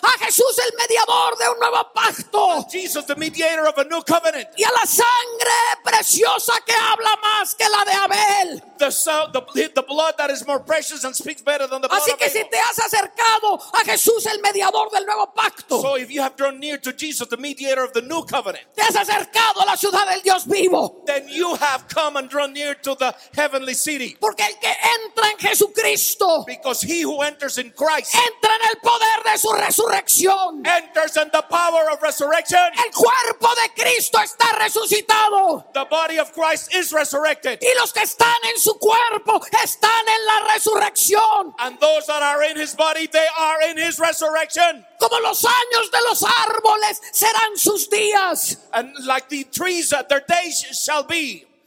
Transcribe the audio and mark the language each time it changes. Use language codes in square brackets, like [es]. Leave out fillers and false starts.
[es] A Jesús el mediador de un nuevo pacto, [en] Jesus, the mediator of a new covenant. [es] Y a la sangre preciosa que habla más que la de Abel, [en] the blood that is more precious and speaks better than the blood. [es] Así que si te has acercado a Jesús el mediador del nuevo pacto, [en] so if you have drawn near to Jesus the mediator of the new covenant, [es] te has acercado a la ciudad del Dios vivo, [en] then you have come and drawn near to the heavenly city. [es] Porque el que entra en Jesucristo, [en] because he who enters in Christ, [es] entra en el poder de su resurrección, [en] enters in the power of resurrection. [es] El cuerpo de Cristo está resucitado, [en] the body of Christ is resurrected. [es] Y los que están en su cuerpo están en la resurrección, [en] and those that are in his body, they are in his resurrection. [es] Como los años de los árboles serán sus días, [en] and like the trees, their days shall be.